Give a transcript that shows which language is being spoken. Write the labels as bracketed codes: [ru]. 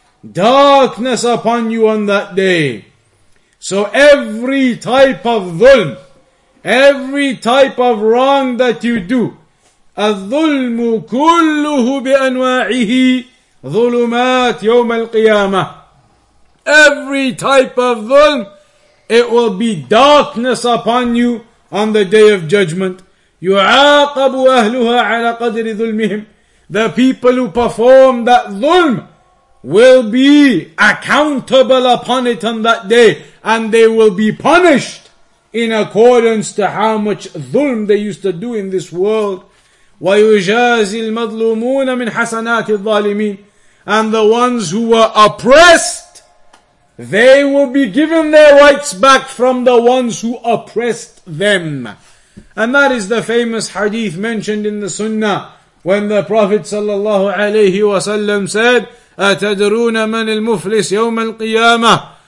[en] Darkness upon you on that day. So every type of dhulm, every type of wrong that you do, [ar] الظلم كله بأنواعه ظلمات يوم القيامة. [en] Every type of dhulm, it will be darkness upon you on the day of judgment. [ar] يعاقب أهلها على قدر ظلمهم. [en] The people who perform that dhulm will be accountable upon it on that day, and they will be punished in accordance to how much dhulm they used to do in this world. [ar] ويجازي المظلومون من حسنات الظالمين. [en] And the ones who were oppressed, they will be given their rights back from the ones who oppressed them. And that is the famous hadith mentioned in the Sunnah when the Prophet sallallahu alayhi wa sallam said, [ar] أَتَدْرُونَ مَنِ الْمُفْلِسِ يَوْمَ الْقِيَامَةِ.